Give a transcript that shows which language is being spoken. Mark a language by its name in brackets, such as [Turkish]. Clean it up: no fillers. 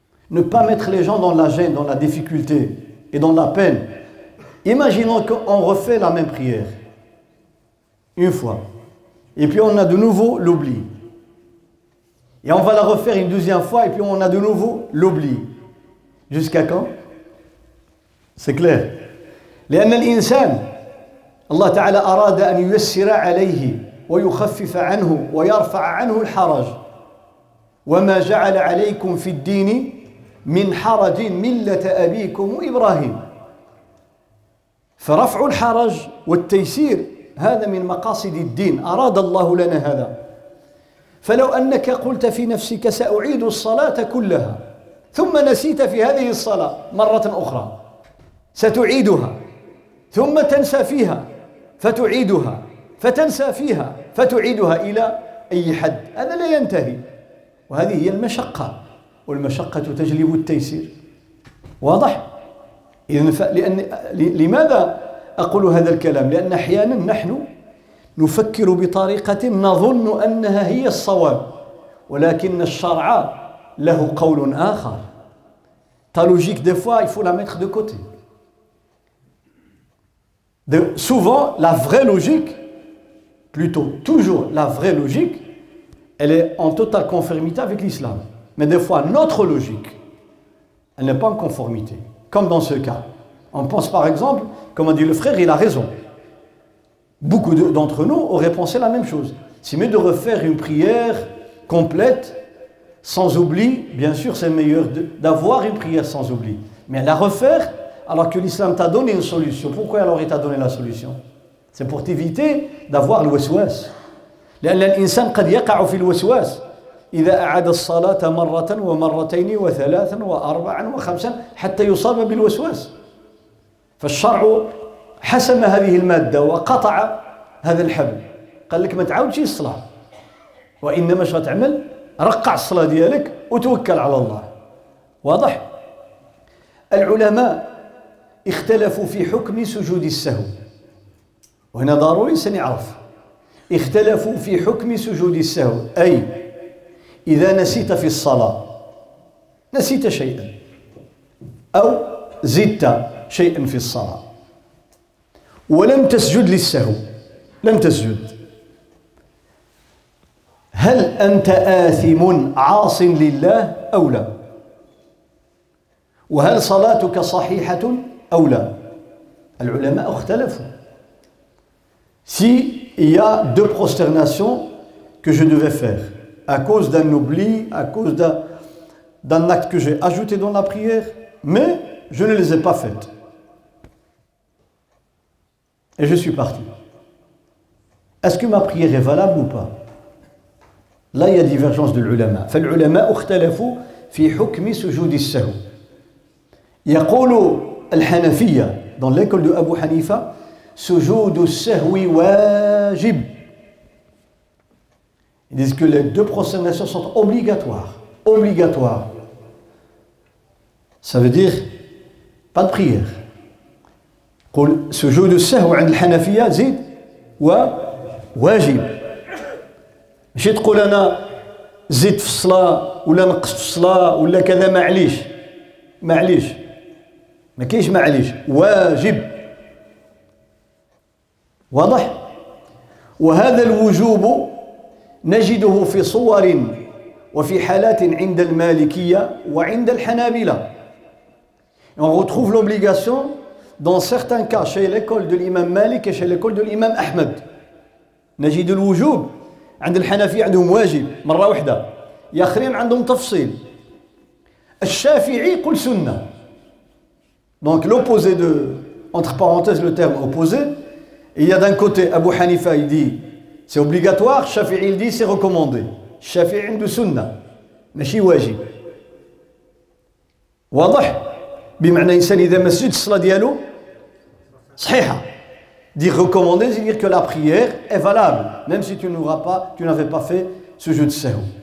[French] Ne pas mettre les gens dans la gêne, dans la difficulté et dans la peine. Imaginons qu'on refait la même prière une fois et puis on a de nouveau l'oubli. Et on va la refaire une deuxième fois et puis on a de nouveau l'oubli. Jusqu'à quand? C'est clair. [Arabic] لأن الإنسان الله تعالى أراد أن ييسر عليه ويخفف عنه ويرفع عنه الحرج. وما جعل عليكم في الدين من حرج ملة أبيكم إبراهيم. فرفع الحرج والتيسير هذا من مقاصد الدين, أراد الله لنا هذا. فلو أنك قلت في نفسك سأعيد الصلاة كلها ثم نسيت في هذه الصلاة مرة أخرى ستعيدها ثم تنسى فيها فتعيدها فتنسى فيها فتعيدها إلى أي حد؟ هذا لا ينتهي, وهذه هي المشقة, والمشقة تجلب التيسير. واضح؟ إذن لماذا أقول هذا الكلام؟ لأن أحيانا نحن نفكر بطريقة نظن أنها هي الصواب, ولكن الشرع له قول آخر. [French] Ta logique des fois, il faut la mettre de côté. Souvent, la vraie logique, plutôt toujours la vraie logique, elle est en totale conformité avec l'islam. Mais des fois, notre logique, elle n'est pas en conformité. Comme dans ce cas. On pense par exemple, comme a dit le frère, il a raison. Beaucoup d'entre nous auraient pensé la même chose. C'est mieux de refaire une prière complète, sans oubli. Bien sûr, c'est meilleur d'avoir une prière sans oubli. Mais la refaire, alors que l'islam t'a donné une solution. Pourquoi alors il t'a donné la solution? C'est pour t'éviter d'avoir le waswas. [Arabic] لأن الإنسان قد يقع في الوسواس إذا أعاد الصلاة مرة ومرتين وثلاثا وأربعا وخمسا حتى يصاب بالوسواس. فالشرع حسم هذه المادة وقطع هذا الحبل, قال لك ما تعاودش الصلاة, وإنما شو تعمل؟ رقع الصلاة ديالك وتوكل على الله. واضح؟ العلماء اختلفوا في حكم سجود السهو, وهنا ضروري سنعرف, اختلفوا في حكم سجود السهو, أي إذا نسيت في الصلاة, نسيت شيئا أو زدت شيئا في الصلاة ولم تسجد للسهو, لم تسجد, هل أنت آثم عاص لله أو لا؟ وهل صلاتك صحيحة أو لا؟ العلماء اختلفوا. [French] Si il y a deux prosternations que je devais faire à cause d'un oubli, à cause d'un acte que j'ai ajouté dans la prière, mais je ne les ai pas faites. Et je suis parti. Est-ce que ma prière est valable ou pas? Là, il y a divergence de l'ulama. Fait l'ulama [Arabic] ukhtalafu fi hukmi sujoudi sahou. Yaqulu al-Hanafiya, [French] dans l'école de Abu Hanifa, [Arabic] sujoudu sahoui wajib. [French] Ils disent que les deux prosternations sont obligatoires. Obligatoires. Ça veut dire Pas de prière. Ce jeu de sahou [Arabic] عند الحنفية زيد و واجب. ماشي تقول انا زدت في الصلاة ولا نقصت في الصلاة ولا كذا معليش معليش ما كاينش معليش واجب. واضح؟ وهذا الوجوب نجده في صور وفي حالات عند المالكية وعند الحنابلة. [French] On retrouve l'obligation dans certains cas chez l'école de l'imam Malik et chez l'école de l'imam Ahmed. [Arabic] نجد الوجوب عند الحنفية عندهم واجب مرة واحدة. يا اخرين عندهم تفصيل. الشافعي قل سنة. [French] Donc l'opposé de entre parenthèses le terme opposé. Il y a d'un côté Abu Hanifa il dit c'est obligatoire, Shafi'i il dit c'est recommandé. [Arabic] Shafi'i عنده سنة ماشي واجب. واضح؟ بمعنى انسان اذا ما سجدش الصلاة ديالو صحيحة. [French] Dire recommandé c'est dire que la prière est valable même si tu n'avais pas fait ce jeu de sahou.